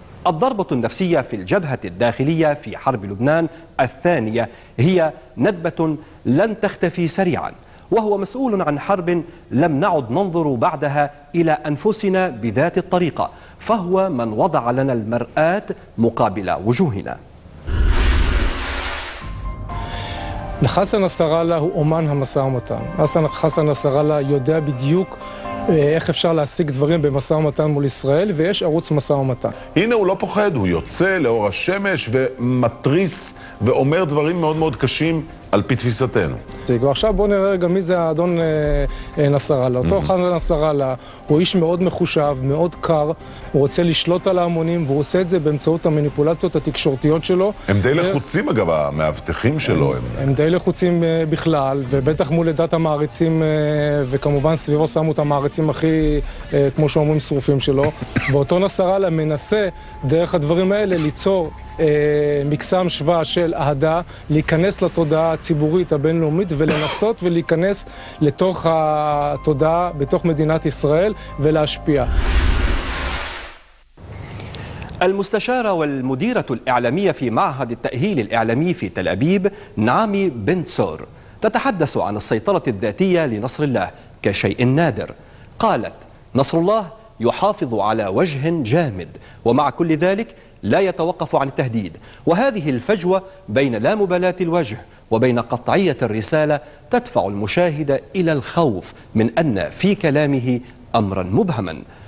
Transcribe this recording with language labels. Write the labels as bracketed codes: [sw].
[ar] الضربة النفسية في الجبهة الداخلية في حرب لبنان الثانية هي ندبة لن تختفي سريعا، وهو مسؤول عن حرب لم نعد ننظر بعدها إلى أنفسنا بذات الطريقة، فهو من وضع لنا المرآة مقابل وجوهنا. [he] חסן נסראללה הוא אומן המסע ומתן. חסן נסראללה יודע בדיוק איך אפשר להשיג דברים במסע ומתן מול ישראל, ויש ערוץ מסע ומתן. הנה, הוא לא פוחד, הוא יוצא לאור השמש ומטריס ואומר דברים מאוד מאוד קשים על פי תפיסתנו. תקווה, עכשיו בוא נראה רגע מי זה האדון נסראללה. אותו חנן נסראללה הוא איש מאוד מחושב, מאוד קר, הוא רוצה לשלוט על ההמונים, והוא עושה את זה באמצעות המניפולציות התקשורתיות שלו. הם די לחוצים אגב, המאבטחים שלו. הם די לחוצים בכלל, ובטח מול עדת המעריצים, וכמובן סביבו שמו את המעריצים הכי, כמו שאומרים, שרופים שלו. ואותו נסראללה מנסה דרך הדברים האלה ליצור מקסם שווה של אהדה, להיכנס לתודעה הציבורית הבינלאומית ולנסות ולהיכנס לתוך התודעה בתוך מדינת ישראל ולהשפיע. [ar] المستشارة والمديرة الإعلامية في معهد التأهيل الإعلامي في تل أبيب نعامي بنتسور تتحدث عن السيطرة الذاتية لنصر الله كشيء نادر. قالت: نصر الله يحافظ على وجه جامد، ومع كل ذلك لا يتوقف عن التهديد، وهذه الفجوة بين لا مبالاة الوجه وبين قطعية الرسالة تدفع المشاهد إلى الخوف من أن في كلامه أمرا مبهما.